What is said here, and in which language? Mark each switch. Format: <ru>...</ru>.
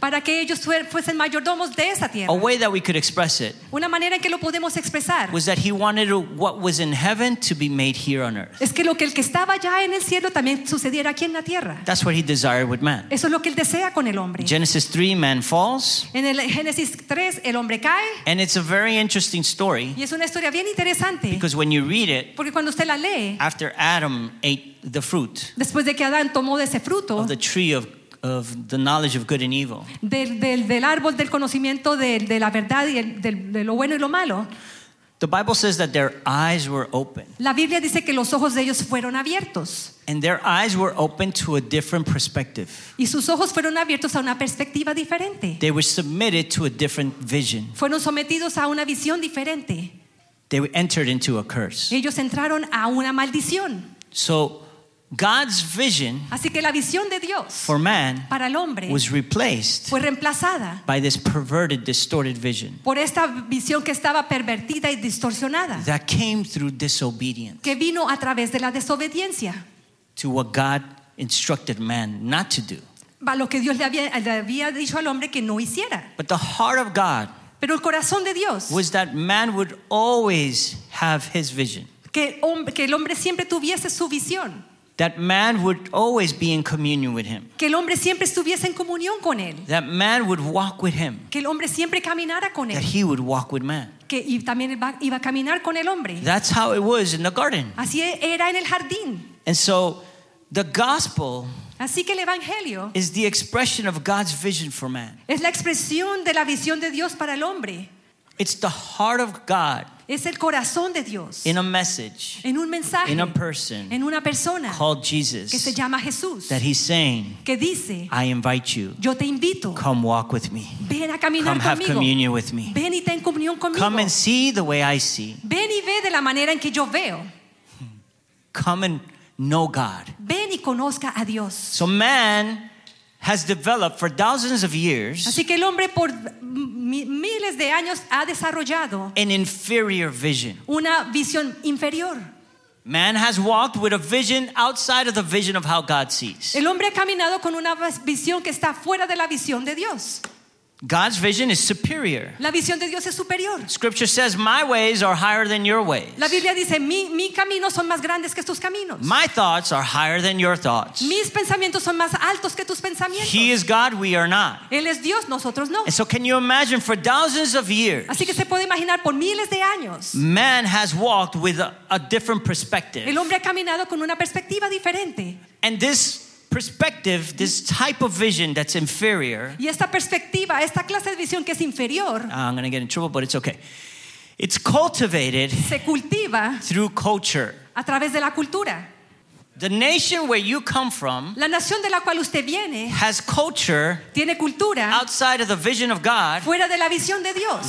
<es>Para que ellos fuesen mayordomos de esa tierra.</es> <en>A way that we could express it.</en> <es>Una manera en que lo podemos expresar.</es> <en>Was that he wanted what was in heaven to be made here on earth.</en> <es>Es que lo que el que estaba ya en el cielo también sucediera aquí en la tierra.</es> <en>That's what he desired with man.</en> <es>Eso es lo que él desea con el hombre.</es> <en>Genesis 3, man falls.</en> <es>En el Génesis 3, el hombre cae.</es> <en>And it's a very interesting story.</en> <es>Y es una historia bien interesante.</es> <en>Because when you read it,</en> <es>porque cuando usted la lee,</es> <en>after Adam ate the fruit,</en> <es>después de que Adán tomó de ese fruto,</es> <en>of the tree of the knowledge of good and evil,</en> <es>del árbol del conocimiento de la verdad y de lo bueno y lo malo,</es> <en>the Bible says that their eyes were open.</en> <es>La Biblia dice que los ojos de ellos fueron abiertos.</es> <en>And their eyes were open to a different perspective.</en> <es>Y sus ojos fueron abiertos a una perspectiva diferente.</es> <en>They were submitted to a different vision.</en> <es>Fueron sometidos a una visión diferente.</es> <en>They entered into a curse.</en> <es>Ellos entraron a una maldición.</es> <en>So God's vision,</en> <es>así que la visión de Dios</es> <en>for man,</en> <es>para el hombre,</es> <en>was replaced,</en> <es>fue reemplazada</es> <en>by this perverted, distorted vision,</en> <es>por esta visión que estaba pervertida y distorsionada,</es> <en>that came through disobedience,</en> <es>que vino a través de la desobediencia,</es> <en>to what God instructed man not to do,</en> <es>a lo que Dios le había dicho al hombre que no hiciera.</es> <en>But the heart of God,</en> <es>pero el corazón de Dios,</es> <en>was that man would always have his vision.</en> <es>Que el hombre siempre tuviese su visión.</es> <en>That man would always be in communion with him.</en> <es>Que el hombre siempre estuviese en comunión con él.</es> <en>That man would walk with him.</en> <es>Que el hombre siempre caminara con él.</es> <en>That he would walk with man.</en> <es>Que y también iba a caminar con el hombre.</es> <en>That's how it was in the garden.</en> <es>Así era en el jardín.</es> <en>And so the gospel,</en> <es>así que el evangelio,</es> <en>is the expression of God's vision for man.</en> <es>Es la expresión de la visión de Dios para el hombre.</es> <en>It's the heart of God.</en> <es>Es el corazón de Dios.</es> <en>In a message.</en> <es>En un mensaje.</es> <en>In a person.</en> <es>En una persona.</es> <en>Called Jesus.</en> <es>Que se llama Jesús.</es> <en>That he's saying.</en> <es>Que dice.</es> <en>I invite you.</en> <es>Yo te invito.</es> <en>Come walk with me.</en> <es>Ven a caminar conmigo.</es> <en>Come have communion with me.</en> <es>Ven y ten comunión conmigo.</es> <en>Come and see the way I see.</en> <es>Ven y ve de la manera en que yo veo.</es> <en>Come and know God.</en> <es>Ven y conozca a Dios.</es> <en>So man has developed for thousands of years.</en> <es>Así que el hombre por miles de años ha desarrollado</es> <en>an inferior vision.</en> <es>Una visión inferior.</es> <en>Man has walked with a vision outside of the vision of how God sees.</en> <es>El hombre ha caminado con una visión que está fuera de la visión de Dios.</es> <en>God's vision is superior.</en> <es>La visión de Dios es superior.</es> <en>Scripture says, "My ways are higher than your ways."</en> <es>La Biblia dice, mi caminos son más grandes que tus caminos.</es> <en>My thoughts are higher than your thoughts.</en> <es>Mis pensamientos son más altos que tus pensamientos.</es> <en>He is God; we are not.</en> <es>Él es Dios; nosotros no.</es> <en>And so, can you imagine for thousands of years?</en> <es>Así que se puede imaginar por miles de años.</es> <en>Man has walked with a different perspective.</en> <es>El hombre ha caminado con una perspectiva diferente.</es> <en>And this perspective, this type of vision that's inferior.</en> <es>Y esta perspectiva, esta clase de visión que es inferior.</es> <en>I'm going to get in trouble, but it's okay. It's cultivated.</en> <es>Se cultiva</es> <en>through culture.</en> <es>A través de la cultura.</es> <en>The nation where you come from,</en> <es>la nación de la cual usted viene,</es> <en>has culture,</en> <es>tiene cultura,</es> <en>outside of the vision of God,</en> <es>fuera de la visión de Dios,</es>